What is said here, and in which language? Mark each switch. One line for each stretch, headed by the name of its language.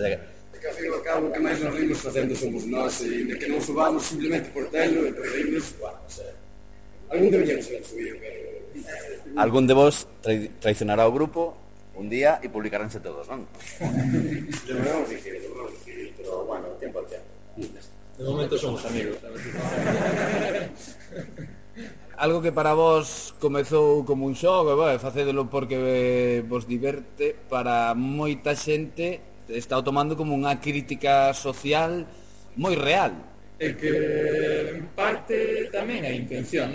Galician: es que ao fin e ao cabo, que máis nos rimos facendo somos nós, e de que non subamos simplemente por telo, e por rimos, bueno, o sea, algún de vos se van subir, pero... Algún de vos traicionará o grupo un día e publicaránse todos, non?
Spanish: Lo vamos a decir, pero bueno, tiempo al tiempo. De momento somos amigos.
Galician: Algo que para vos comezou como un xogo, bueno, facédelo porque vos diverte, para moita xente está tomando como unha crítica social moi real. É que en parte tamén hai intención.